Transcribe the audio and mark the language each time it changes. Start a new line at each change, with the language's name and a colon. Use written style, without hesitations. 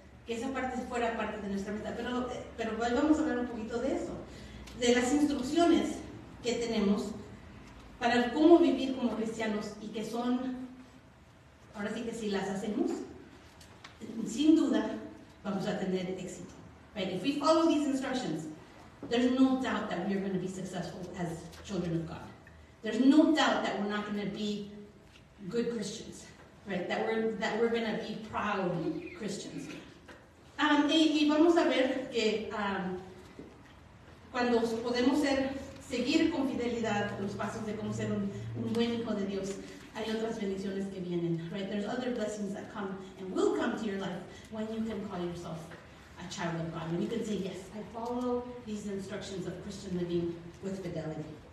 Spanish: Que esa parte fuera parte de nuestra meta, pero vamos a hablar un poquito de eso, de las instrucciones que tenemos para cómo vivir como cristianos y que son, ahora sí que si las hacemos, sin duda, vamos a tener éxito, right?
English: If we follow these instructions, there's no doubt that we are going to be successful as children of God. There's no doubt that we're not going to be good Christians, right? That we're going to be proud Christians.
Spanish: Y vamos a ver que cuando podemos seguir con fidelidad los pasos de cómo ser un buen hijo de Dios, hay otras bendiciones que vienen, right?
English: There's other blessings that come and will come to your life when you can call yourself a child of God. And you can say, yes, I follow these instructions of Christian living with fidelity.